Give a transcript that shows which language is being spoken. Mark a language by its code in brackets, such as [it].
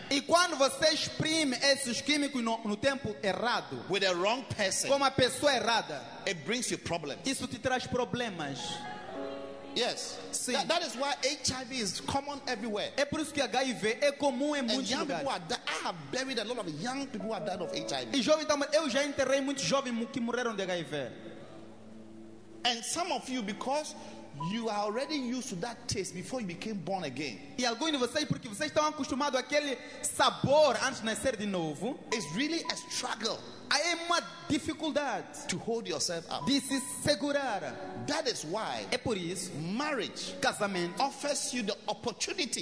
[pt] e quando você exprime esses químicos no tempo errado, [en] with the wrong person, [pt] com uma pessoa errada, [en] it brings you problems. [pt] Isso te traz problemas. [en] Yes. [pt] Sim. [en] That is why HIV is common everywhere. [pt] É por isso que HIV é comum em muitos lugares. [en] People are I have buried a lot of young people who have died of HIV. [pt] E jovens também, eu já enterrei muitos jovens que morreram de HIV. [en] And some of you, because you are already used to that taste before you became born again. [pt] E alguns de vocês, porque vocês estão acostumados àquele sabor antes de nascer de novo. [en] It's really a struggle. [pt] É uma dificuldade [en] to hold yourself up. [pt] De se segurar. [en] That is why. [pt] É por isso. [en] Marriage, [pt] casamento, [en] offers you the opportunity.